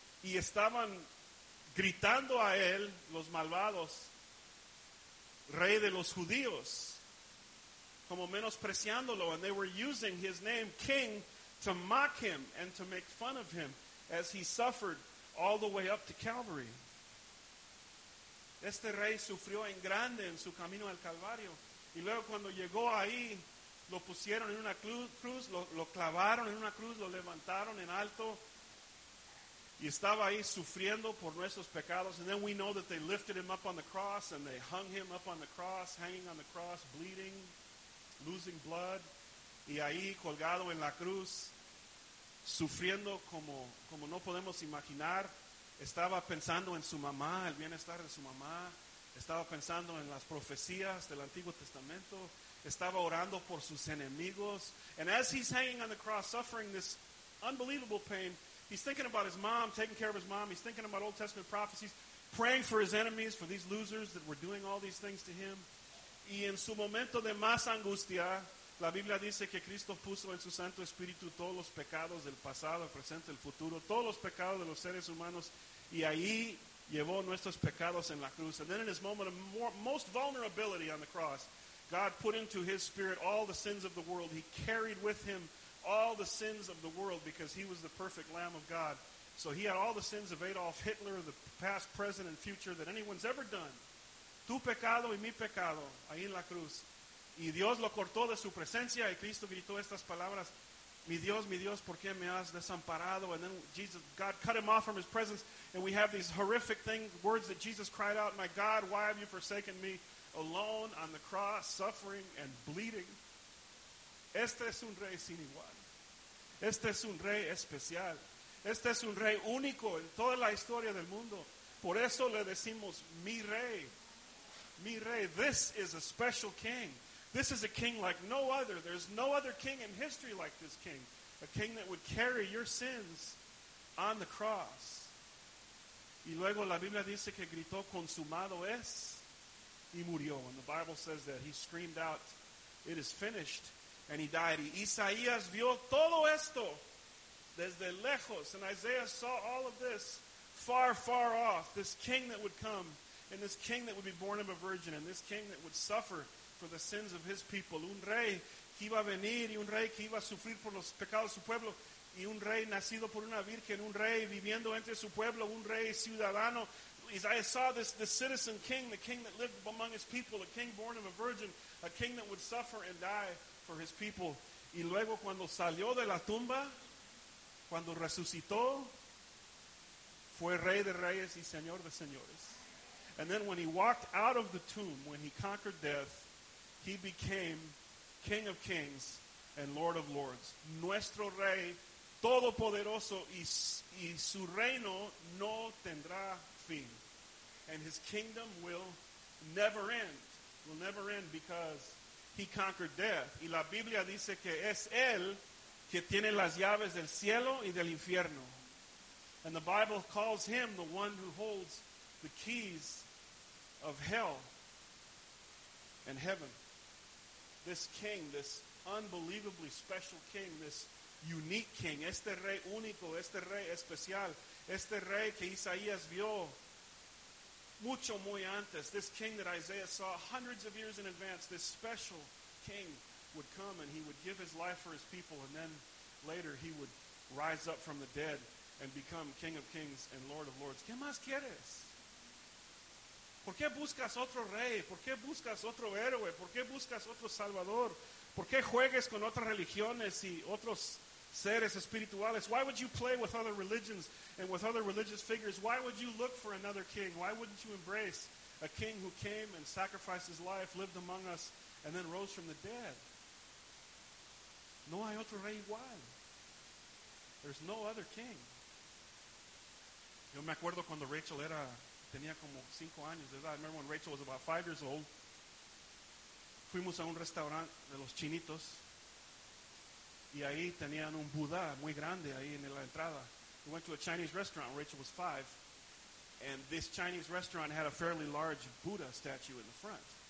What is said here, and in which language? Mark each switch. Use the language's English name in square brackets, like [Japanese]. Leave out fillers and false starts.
[Spanish] Y estaban gritando a él, los malvados, rey de los judíos, como menospreciándolo, [English] and they were using his name, king, to mock him and to make fun of him as he suffered all the way up to Calvary. [Spanish] Este rey sufrió en grande en su camino al Calvario, y luego cuando llegó ahí, lo pusieron en una cruz, lo clavaron en una cruz, lo levantaron en alto, y estaba ahí sufriendo por nuestros pecados. [English] And then we know that they lifted him up on the cross and they hung him up on the cross, hanging on the cross, bleeding, losing blood. [Spanish] Y ahí colgado en la cruz, sufriendo como no podemos imaginar. Estaba pensando en su mamá, el bienestar de su mamá. Estaba pensando en las profecías del Antiguo Testamento. Estaba orando por sus enemigos. [English] And as he's hanging on the cross, suffering this unbelievable pain, he's thinking about his mom, taking care of his mom. He's thinking about Old Testament prophecies, praying for his enemies, for these losers that were doing all these things to him. [Spanish] Y en su momento de más angustia, la Biblia dice que Cristo puso en su Santo Espíritu todos los pecados del pasado, presente, el futuro, todos los pecados de los seres humanos, y ahí llevó nuestros pecados en la cruz. [English] And then in his moment of most vulnerability on the cross, God put into his spirit all the sins of the world. He carried with him all the sins of the world, because he was the perfect Lamb of God. So he had all the sins of Adolf Hitler, the past, present, and future, that anyone's ever done. [Spanish] Tu pecado y mi pecado, ahí en la cruz. Y Dios lo cortó de su presencia, y Cristo gritó estas palabras, mi Dios, ¿por qué me has desamparado? [English] And then Jesus, God cut him off from his presence, and we have these horrific things, words that Jesus cried out, my God, why have you forsaken me? Alone on the cross, suffering and bleeding. [Spanish] Este es un rey sin igual. Este es un rey especial. Este es un rey único en toda la historia del mundo. Por eso le decimos, mi rey. Mi rey. [English] This is a special king. This is a king like no other. There's no other king in history like this king. A king that would carry your sins on the cross. [Spanish] Y luego la Biblia dice que gritó, consumado es, y murió. [English] And the Bible says that he screamed out, it is finished. And he died. [Spanish] Y Isaías vio todo esto desde lejos. [English] And Isaiah saw all of this far, far off. This king that would come. And this king that would be born of a virgin. And this king that would suffer for the sins of his people. [Spanish] Un rey que iba a venir. Y un rey que iba a sufrir por los pecados de su pueblo. Y un rey nacido por una virgen. Un rey viviendo entre su pueblo. Un rey ciudadano. [English] Isaiah saw this citizen king. The king that lived among his people. A king born of a virgin. A king that would suffer and die for his people. [Spanish] Y luego cuando salió de la tumba, cuando resucitó, fue rey de reyes y señor de señores. [English] And then when he walked out of the tomb, when he conquered death, he became king of kings and lord of lords. [Spanish] Nuestro rey, todopoderoso y su reino no tendrá fin. [English] And his kingdom will never end because he conquered death. [Spanish] Y la Biblia dice que es él que tiene las llaves del cielo y del infierno. [English] And the Bible calls him the one who holds the keys of hell and heaven. This king, this unbelievably special king, this unique king, [Spanish] este rey único, este rey especial, este rey que Isaías vio mucho muy antes, [English] this king that Isaiah saw hundreds of years in advance, this special king would come and he would give his life for his people, and then later he would rise up from the dead and become King of Kings and Lord of Lords. [Spanish] ¿Qué más quieres? ¿Por qué buscas otro rey? ¿Por qué buscas otro héroe? ¿Por qué buscas otro salvador? ¿Por qué juegues con otras religiones y otros seres espirituales? [English] Why would you play with other religions and with other religious figures? Why would you look for another king? Why wouldn't you embrace a king who came and sacrificed his life, lived among us, and then rose from the dead? [Spanish] No hay otro rey igual. [English] There's no other king. [Spanish] Yo me acuerdo cuando Rachel era... tenía como 5 años de edad. [English] I remember when Rachel was about 5 years old. [Spanish] Fuimos a un restaurante de los chinitos. Y ahí tenían un Buda muy grande ahí en la entrada. [English] We went to a Chinese restaurant when Rachel was 5. And this Chinese restaurant had a fairly large Buddha statue in the front.